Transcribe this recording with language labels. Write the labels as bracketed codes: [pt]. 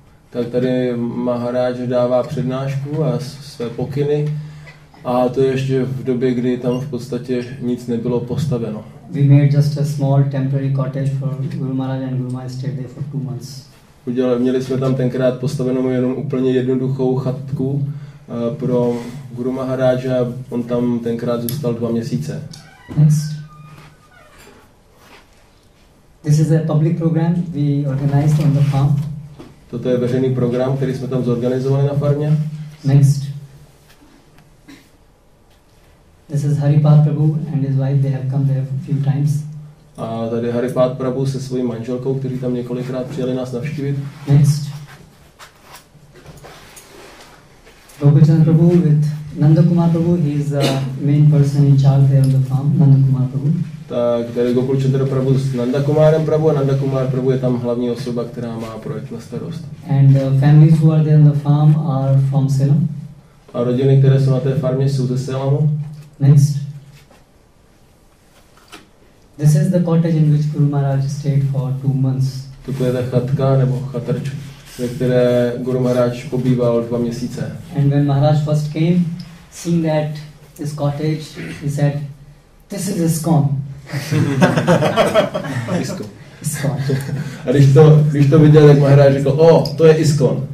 [cs] Tak tady Maharaj dává přednášku a své pokyny, a to ještě v době, kdy tam v podstatě nic nebylo postaveno. [en] We made just a small temporary cottage for Guru Maharaj, and Guru Maharaj stayed there for 2 months. [cs] Měli jsme tam tenkrát postavenou jenom úplně jednoduchou chatku pro Guru Maharaja, on tam tenkrát zůstal 2 měsíce. [en] Next. This is a public program we organized on the farm. [cs] Toto je veřejný program, který jsme tam zorganizovali na farmě. [en] Next. This is Haripath Prabhu and his wife, they have come there a few times. [cs] A tady je Haripath Prabhu se svojí manželkou, kteří tam několikrát přijeli nás navštívit. [en] Next. Gopichand Prabhu with Nandakumar Prabhu, he is the main person in charge there on the farm, Nandakumar Prabhu. [cs] Tak tady Gopichandra Prabhu s Nandakumarem Prabhu a Nandakumar Prabhu je tam hlavní osoba, která má projekt na starost. [en] And the families who are there on the farm are from Salem. [cs] A rodiny, které jsou na té farmě, jsou ze Salemu. [en] Next. This is the cottage in which Guru Maharaj stayed for 2 months. [cs] Toto je ta chatka nebo chatrč, ve které Guru Maharaj pobýval 2 měsíce. [en] And when Maharaj first came, seeing that this cottage, he said, "This is ISKCON." ISKCON. [cs] A když to viděl, tak Maharaj řekl, "Oh, to je ISKCON."